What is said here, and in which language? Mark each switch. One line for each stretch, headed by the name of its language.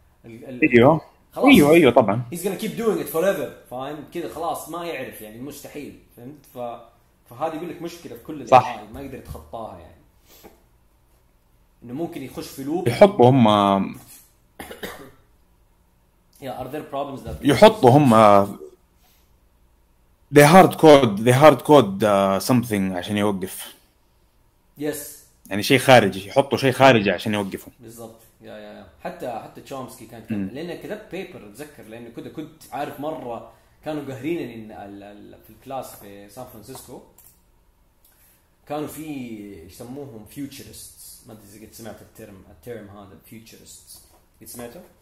Arabic: ايوه خلاص، ايوه ايوه طبعا
English: he's gonna keep doing it forever،
Arabic: فاهم كده؟ خلاص ما يعرف، يعني مستحيل، فهمت؟ فهذه يقول لك مشكله في كل صح، الاي ما يقدر يتخطاها، يعني انه ممكن يخش في لوب. يحطوا هم
English: يا are there problems that
Arabic: يحطوا هم
English: they hard code they hard code something
Arabic: عشان يوقف،
English: yes
Arabic: يعني شيء خارجي، يحطوا شيء خارجي عشان يوقفه. بالضبط، يا حتى تشومسكي كان يتكلم، لان كتبت بيبر اتذكر، لانه كنت عارف مره كانوا قاهرين في الكلاس في سان فرانسيسكو، كانوا في يسموهم فيوتشرستس، ما ادري اذا قد سمعت الترم هذا فيوتشرستس، قد سمعته؟